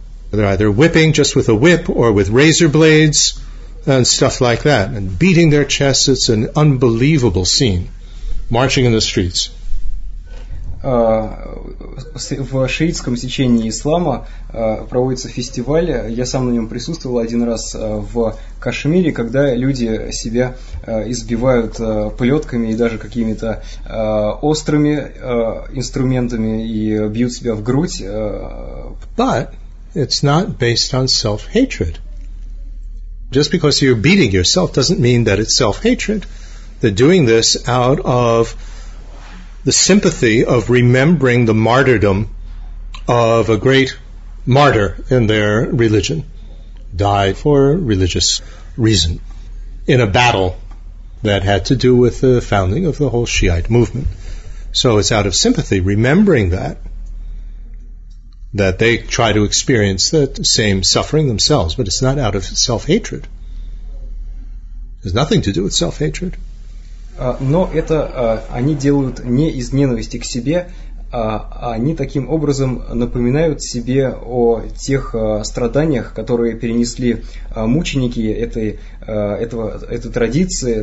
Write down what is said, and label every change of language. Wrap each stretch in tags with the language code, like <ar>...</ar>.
<en>They're either whipping just with a whip or with razor blades and stuff like that, and beating their chests. It's an unbelievable scene, marching in the streets.</en> <ru>В шиитском течении ислама проводится фестиваль. Я сам на нем присутствовал один раз в Кашмире, когда люди себя избивают плетками и даже какими-то острыми инструментами и бьют себя в грудь.</ru> <en>But it's not based on self-hatred. Just because you're beating yourself doesn't mean that it's self-hatred. They're doing this out of the sympathy of remembering the martyrdom of a great martyr in their religion, died for religious reason in a battle that had to do with the founding of the whole Shiite movement. So it's out of sympathy, remembering that, that they try to experience that same suffering themselves, but it's not out of self-hatred. There's nothing to do with self-hatred.</en> <ru>Но это они делают не из ненависти к себе, они таким образом напоминают себе о тех страданиях, которые перенесли мученики этой традиции.</ru>